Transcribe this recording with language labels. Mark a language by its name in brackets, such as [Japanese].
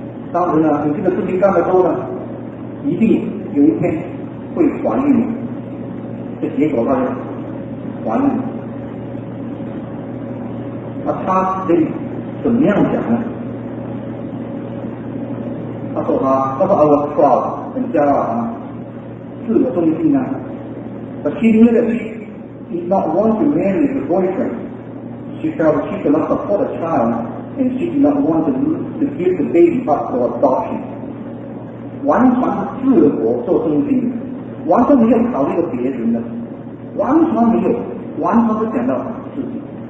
[Chinese] 当然了，你这个事情干得多了，一定有一天会怀孕。这结果吧，怀孕。那他得怎么样讲呢？他说啊，我错了，很骄傲啊。自我中心啊， [English] but she knew that she did not want to marry the boyfriend. She felt she could not support a child, and she did not want to give the baby up for adoption. [Chinese] 完全自我做中心，完全没有考虑到别人的，完全没有，完全不想到自己。